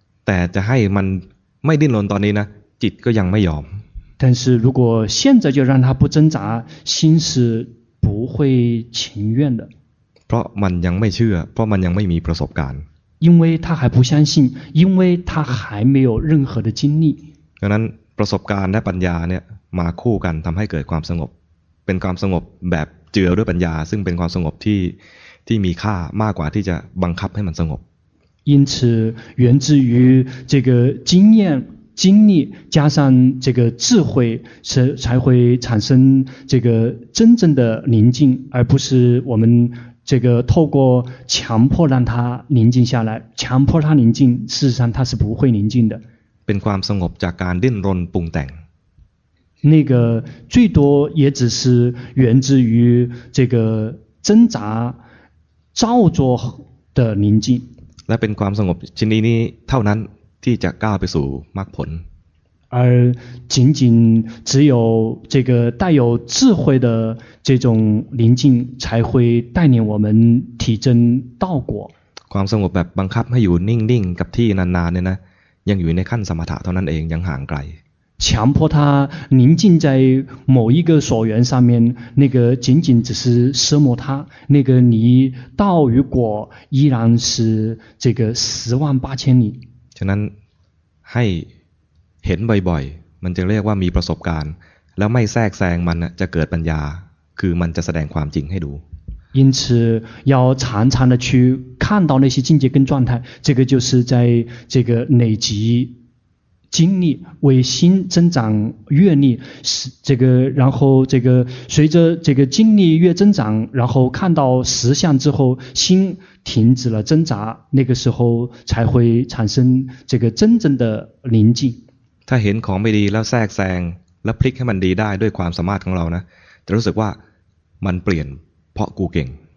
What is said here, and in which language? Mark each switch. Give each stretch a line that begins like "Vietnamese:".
Thai: 但จะให้มันไม่ดิ้นรนตอนนี้นะจิตก็ยังไม่ยอม。
Chinese: 但是如果现在就让他不挣扎，心是不会情愿的。
Thai: เพราะมันยังไม่เชื่อเพราะมันยังไม่มีประสบการณ์。
Chinese: 因为他还不相信，因为他还没有任何的经历。
Thai: ดังนั้นประสบการณ์และปัญญาเนี่ยมาคู่กันทำให้เกิดความสงบเป็นความสงบแบบเจือด้วยปัญญาซึ่งเป็นความสงบที่มีค่ามากกว่าที่จะบังคับให้มันสงบ
Chinese: 因此源自于这个经验经历加上这个智慧才会产生这个真正的宁静而不是我们这个透过强迫让它宁静下来强迫它宁静事实上它是不会宁静的
Thai: เป็นความสงบจากการดิ้นรนปรุงแต่ง
Chinese: 那个最多也只是源自于这个挣扎造作的宁静
Thai: และเป็นความสงบชนิดนี้เท่านั้นที่จะก้าวไปสู่มรรคผล
Chinese: 而仅仅只有这个带有智慧的这种宁静才会带领我们体证道果
Thai: ความสงบแบบบังคับให้อยู่นิ่งๆกับที่นานๆเนี่ยนะยังอยู่ในขั้นสมถะเท่านั้นเองยังห่างไกล
Chinese: 强迫他宁静在某一个所缘上面，那个仅仅只是奢摩他，那个离道与果依然是这个十万八千里。
Thai: ฉะนั้นให้เห็นบ่อยๆมันจะเรียกว่ามีประสบการณ์แล้วไม่แทรกแซงมันจะเกิดปัญญาคือมันจะแสดงความจริงให้ดู
Chinese: 因此要常常的去看到那些境界跟状态，这个就是在这个累积。经历为心增长阅历这个然后这个随着这个经历越增长然后看到实相之后心停止了挣扎那个时候才会产生这个真正的宁静
Thai: ถ้าเห็นของไม่ดีแล้วแทรกแซงแล้วพลิกให้มันดีได้ด้วยความสามารถของเรานะจะรู้สึกว่ามันเปลี่ยนเพราะกูเก่ง